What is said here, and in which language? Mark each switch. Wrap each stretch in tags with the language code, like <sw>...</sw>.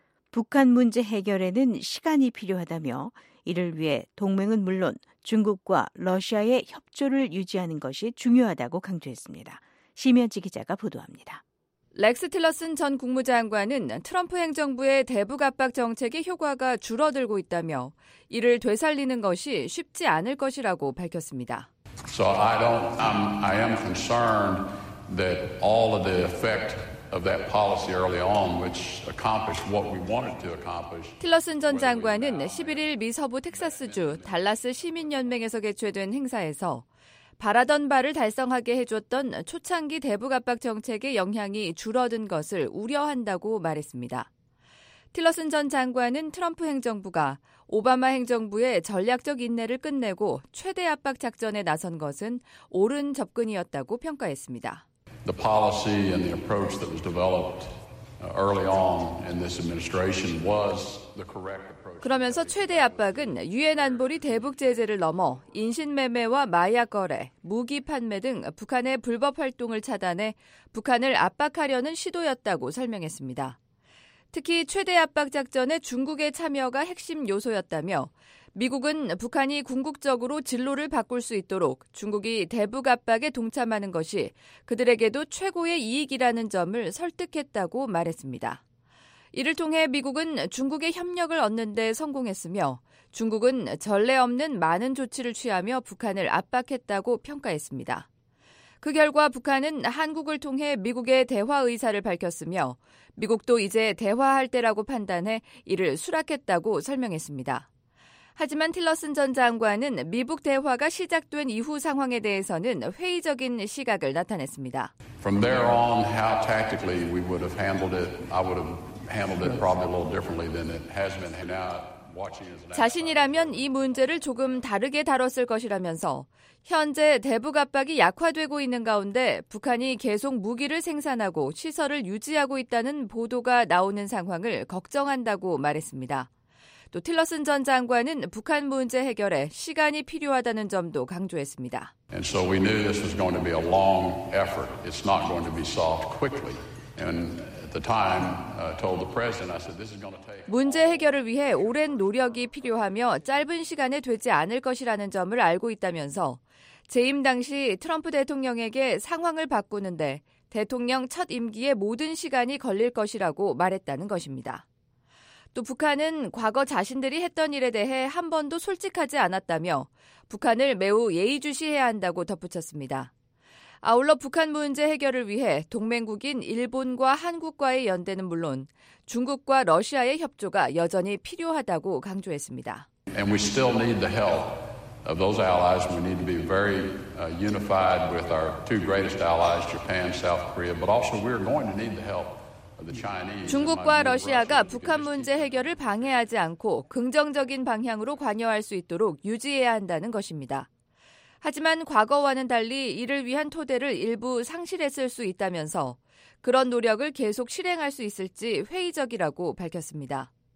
<ko>북한 문제 해결에는 시간이 필요하다며 이를 위해 동맹은 물론 중국과 러시아의 협조를 유지하는 것이 중요하다고 강조했습니다. 심현지 기자가 보도합니다. 렉스 틸러슨 전 국무장관은 트럼프 행정부의 대북 압박 정책의 효과가 줄어들고 있다며 이를 되살리는 것이 쉽지 않을 것이라고 밝혔습니다.</ko> <en>So I am concerned that all of the effect of that policy early on which accomplished what we wanted to accomplish.</en> <ko>틸러슨 전 장관은 11일 미 서부 텍사스주 달라스 시민연맹에서 개최된 행사에서 바라던 바를 달성하게 해줬던 초창기 대북 압박 정책의 영향이 줄어든 것을 우려한다고 말했습니다. 틸러슨 전 장관은 트럼프 행정부가 오바마 행정부의 전략적 인내를 끝내고 최대 압박 작전에 나선 것은 옳은 접근이었다고 평가했습니다.</ko> <en>The policy and the approach that was developed early on in this administration was the correct approach.</en> <ko>그러면서 최대 압박은 유엔 안보리 대북 제재를 넘어 인신매매와 마약 거래, 무기 판매 등 북한의 불법 활동을 차단해 북한을 압박하려는 시도였다고 설명했습니다. 특히 최대 압박 작전에 중국의 참여가 핵심 요소였다며 미국은 북한이 궁극적으로 진로를 바꿀 수 있도록 중국이 대북 압박에 동참하는 것이 그들에게도 최고의 이익이라는 점을 설득했다고 말했습니다. 이를 통해 미국은 중국의 협력을 얻는 데 성공했으며 중국은 전례 없는 많은 조치를 취하며 북한을 압박했다고 평가했습니다. 그 결과 북한은 한국을 통해 미국의 대화 의사를 밝혔으며 미국도 이제 대화할 때라고 판단해 이를 수락했다고 설명했습니다. 하지만 틸러슨 전 장관은 미북 대화가 시작된 이후 상황에 대해서는 회의적인 시각을 나타냈습니다.</ko> <en>From there on, how tactically we would have handled it, I would have handled it probably a little differently than it has been. And now, watching as</en> <ko>자신이라면 이 문제를 조금 다르게 다뤘을 것이라면서 현재 대북 압박이 약화되고 있는 가운데 북한이 계속 무기를 생산하고 시설을 유지하고 있다는 보도가 나오는 상황을 걱정한다고 말했습니다. 또 틸러슨 전 장관은 북한 문제 해결에 시간이 필요하다는 점도 강조했습니다.</ko> <en>And so we knew this was going to be a long effort. It's not going to be solved quickly. And at the time, told the president, I said, this is going to take.</en> <ko>문제 해결을 위해 오랜 노력이 필요하며 짧은 시간에 되지 않을 것이라는 점을 알고 있다면서 재임 당시 트럼프 대통령에게 상황을 바꾸는데 대통령 첫 임기에 모든 시간이 걸릴 것이라고 말했다는 것입니다. 또 북한은 과거 자신들이 했던 일에 대해 한 번도 솔직하지 않았다며 북한을 매우 예의주시해야 한다고 덧붙였습니다. 아울러 북한 문제 해결을 위해 동맹국인 일본과 한국과의 연대는 물론 중국과 러시아의 협조가 여전히 필요하다고 강조했습니다.</ko> <en>And we still need the help of those allies. We need to be very unified with our two greatest allies, Japan, South Korea, but also we're going to need the help.</en> <ko>중국과 러시아가 북한 문제 해결을 방해하지 않고 긍정적인 방향으로 관여할 수 있도록 유지해야 한다는 것입니다. 하지만 과거와는 달리 이를 위한 토대를 일부 상실했을 수 있다면서 그런 노력을 계속 실행할 수 있을지 회의적이라고 밝혔습니다.</ko>